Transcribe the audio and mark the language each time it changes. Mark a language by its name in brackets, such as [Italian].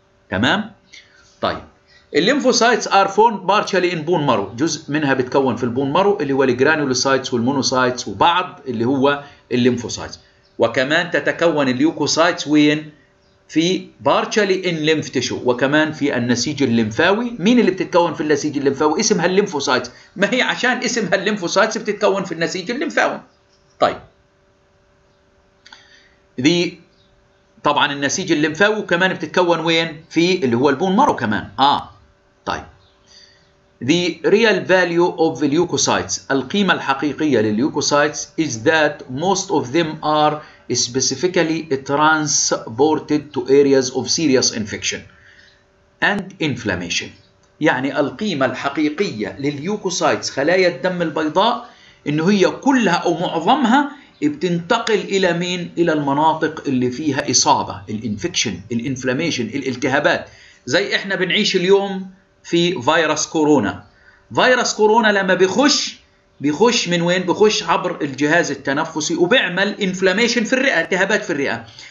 [Arabic] تمام؟ طيب [English] الليمفوسايتس are formed partially in bone marrow, [Arabic] جزء منها بتكون في البون مارو اللي هو الجرانولوسايتس والمونوسايتس وبعض اللي هو الليمفوسايتس، وكمان تتكون اليوكوسايتس وين؟ في [English] partially in lymph tissue, [Arabic] وكمان في النسيج الليمفاوي. مين اللي بتتكون في النسيج الليمفاوي؟ اسمها الليمفوسايتس. ما هي عشان اسمها الليمفوسايتس بتتكون في النسيج الليمفاوي. طيب دي طبعا النسيج الليمفاوي، وكمان بتتكون وين؟ في اللي هو البون مارو كمان. طيب [English] the real value of the leukocytes، [Arabic] القيمة الحقيقية لليوكوسايتس [English] is that most of them are specifically transported to areas of serious infection and inflammation. [Arabic] يعني القيمة الحقيقية لليوكوسايتس خلايا الدم البيضاء إن هي كلها أو معظمها بتنتقل إلى مين؟ إلى المناطق اللي فيها إصابة، الانفكشن، الانفلاميشن، الالتهابات. زي إحنا بنعيش اليوم في فيروس كورونا، فيروس كورونا لما بيخش من وين؟ بيخش عبر الجهاز التنفسي وبيعمل انفلاميشن في الرئة، التهابات في الرئة.